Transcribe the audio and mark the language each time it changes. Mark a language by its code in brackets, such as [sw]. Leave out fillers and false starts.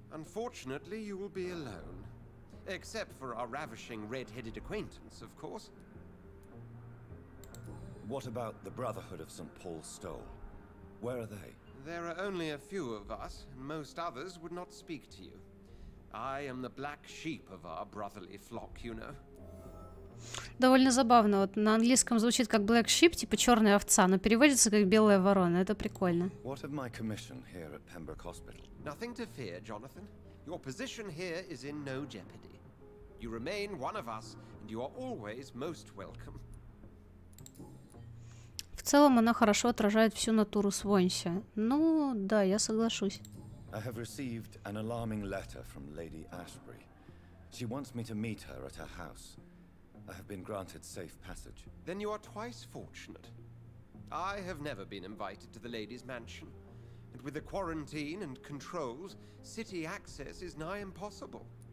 [en] Unfortunately, you will be alone. Except for our ravishing red-headed acquaintance, of course. What about the Brotherhood of St. Paul Stoll? Where are they? There are only a few of us, and most others would not speak to you. I am the black sheep of our brotherly flock, you know. [ru] Довольно забавно. Вот на английском звучит как [en] black sheep, [ru] типа черная овца, но переводится как белая ворона. Это прикольно. [en] What of my commission here at Pembroke Hospital? Nothing to fear, Jonathan. Your position here is in no jeopardy. You remain one of us, and you are always most welcome. [ru] В целом она хорошо отражает всю натуру Свонси. Ну, да, я соглашусь. [en] I have received an alarming letter from Lady Ashbury. She wants me to meet her at her house. I have been granted safe passage. Then you are twice fortunate. I have never been invited to the lady's mansion. And with the quarantine and controls, city access is nigh impossible.